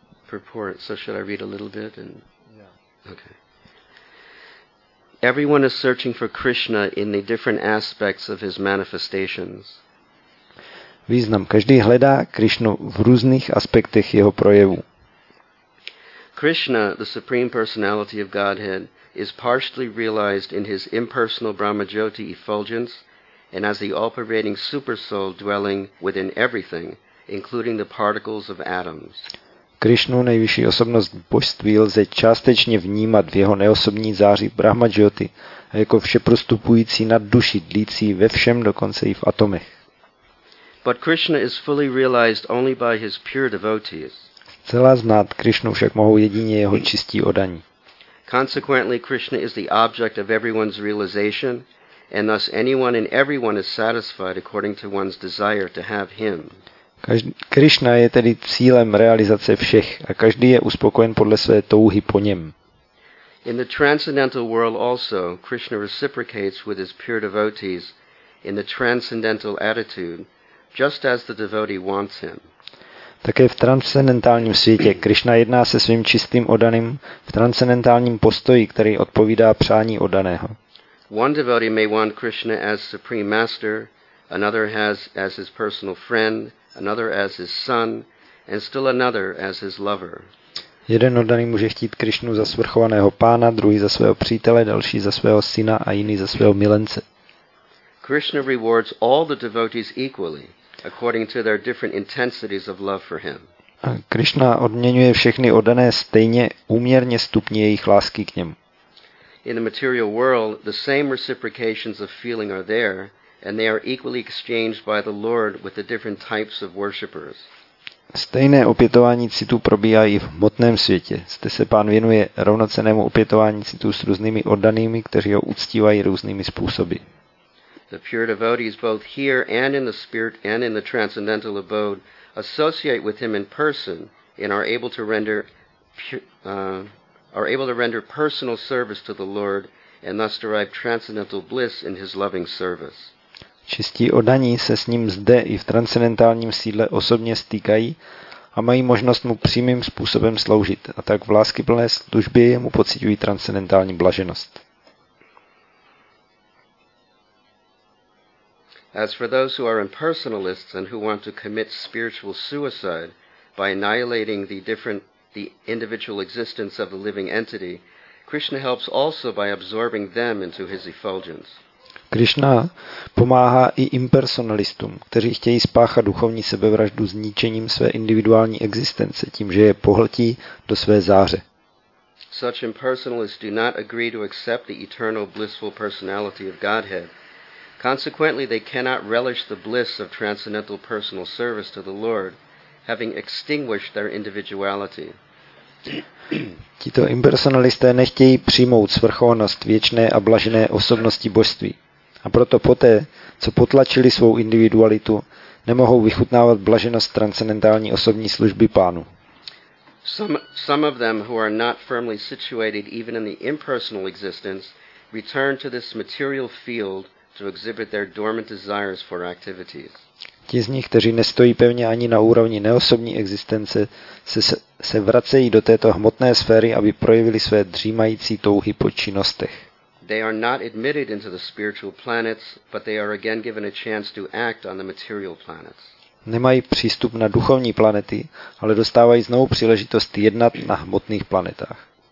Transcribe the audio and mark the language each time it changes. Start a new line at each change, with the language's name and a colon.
English: Purport. So should I read a little bit? And... Yeah. Okay. Everyone is searching for Krishna in the different aspects of his manifestations.
Czech: Význam: každý hledá Krišnu v různých aspektech jeho projevu.
English: Krishna, the supreme personality of Godhead, is partially realized in his impersonal Brahmajyoti effulgence and as the all-pervading supersoul dwelling within everything, including the particles of atoms.
Czech: Krišnu, nejvyšší osobnost božství, lze částečně vnímat v jeho neosobní záři Brahmajyoti a jako všeprostupující nad duši dlící ve všem, dokonce i v atomech.
English: But Krishna is fully realized only by his pure devotees.
Czech: Zcela znát Krišnu však mohou jedině jeho čistí oddaní.
English: Consequently, Krishna is the object of everyone's realization, and thus anyone and everyone is satisfied according to one's desire to have him.
Czech: Krišna je tedy cílem realizace všech a každý je uspokojen podle své touhy po něm.
English: In the transcendental world also, Krishna reciprocates with his pure devotees in the transcendental attitude, just as the devotee wants him.
Czech: Také v transcendentálním světě Krišna jedná se svým čistým oddaným v transcendentálním postoji, který odpovídá přání oddaného.
English: One devotee may want Krishna as supreme master, another has as his personal friend, another as his son, and still another as his lover.
Czech: Jeden oddaný může chtít Krišnu za svrchovaného pána, druhý za svého přítele, další za svého syna a jiný za svého milence.
English: Krishna rewards all the devotees equally according to their different intensities of love for him.
Czech: Krishna odměňuje všechny oddané stejně úměrně stupni jejich lásky k němu.
English: In the material world, the same reciprocations of feeling are there, and they are equally exchanged by the Lord with the different types of worshippers.
Czech: Stejné opětování citů probíhá i v hmotném světě. Zde se pán věnuje rovnocenému opětování citů s různými oddanými, kteří ho uctívají různými způsoby.
English: The pure devotees both here and in the spirit and in the transcendental abode associate with him in person and are able to render personal service to the Lord and thus derive transcendental bliss in his loving service.
Czech: Čistí oddaní se s ním zde i v transcendentálním sídle osobně stýkají a mají možnost mu přímým způsobem sloužit a tak v láskyplné službě jemu pociťují transcendentální blaženost.
English: As for those who are impersonalists and who want to commit spiritual suicide by annihilating the individual existence of the living entity, Krishna helps also by absorbing them into his effulgence.
Czech: Krishna pomáhá i impersonalistům, kteří chtějí spáchat duchovní sebevraždu zničením své individuální existence tím, že je pohltí do své záře.
English: Such impersonalists do not agree to accept the eternal blissful personality of Godhead. Consequently, they cannot relish the bliss of transcendental personal service to the Lord, having extinguished their individuality.
Czech: Tito impersonalisté nechtějí přijmout svrchovanost věčné a blažené osobnosti božství. A proto poté, co potlačili svou individualitu, nemohou vychutnávat blaženost transcendentální osobní služby pánu.
English: Some of them who are not firmly situated even in the impersonal existence return to this material field to exhibit their dormant desires for activities.
Czech: Ti z nich, kteří nestojí pevně ani na úrovni neosobní existence, se vracejí do této hmotné sféry, aby projevili své dřímající touhy po činnostech.
English: They are not admitted into the spiritual planets, but they are again given a chance to act on the material planets.
Czech: Nemají přístup na duchovní planety, ale dostávají znovu příležitost jednat na hmotných planetách.